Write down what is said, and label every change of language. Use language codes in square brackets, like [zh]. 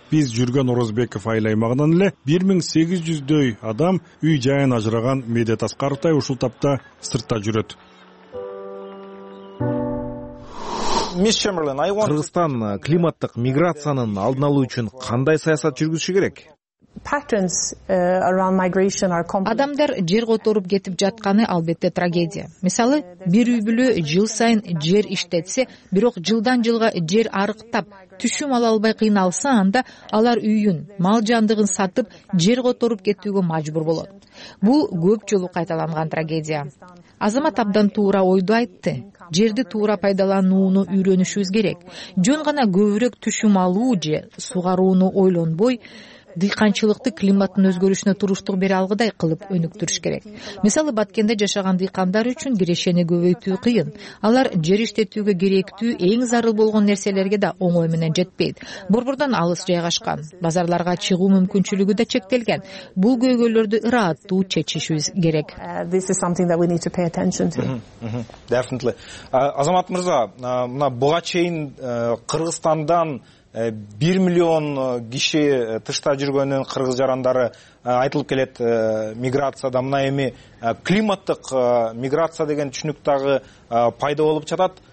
[ky] Биз жүргөн Орозбеков айыл аймагынан эле 1800 адам үй жайын ажыраган Медет Аскаровтай ушул тапта сыртта жүрөт. Кыргызстан климаттык миграциянын алдын алуу үчүн кандай саясат жүргүзүшү керек? [en] Patterns around migration are complex. [ky] Адамдар жер которуп кетип жатканы албетте трагедия. Мисалы, бир үй бүлө жыл сайын жер иштетсе, бирок жылдан жылга жер арыктап, түшүм ала албай кыйналса, анда алар үйүн, мал жандыгын сатып, жер которуп кетүүгө мажбур болот. Бул көп жолу кайталанган трагедия. Азамат абдан туура ойду айтты. Жерди туура пайдаланууну үйрөнүшүбүз керек. Жөн гана көбүрөөк түшүм алуу же сугарууну ойлонбой, дыйканчылыкты климаттын өзгөрүшүнө туруштук бере алгыдай кылып өнүктүрүш керек. Мисалы, Баткенде жашаган дыйкандар үчүн кирешени көбөйтүү кыйын. Алар жер иштетүүгө керектүү эң зарыл болгон нерселерге да оңой менен жетпейт. Борбордон алыс жайгашкан, базарларга чыгуу мүмкүнчүлүгү да чектелген. Бул көйгөйлөрдү ырааттуу чечишибиз керек. [en] This is something that we need to pay attention to. Definitely. [ky] Азамат мырза, мына буга чейин Кыргызстандан 1 000 000 киши тышта жүргөнүн кыргыз жарандары айтылып келет миграцияда. Мына эми климаттык миграция деген түшүнүк дагы пайда болуп жатат.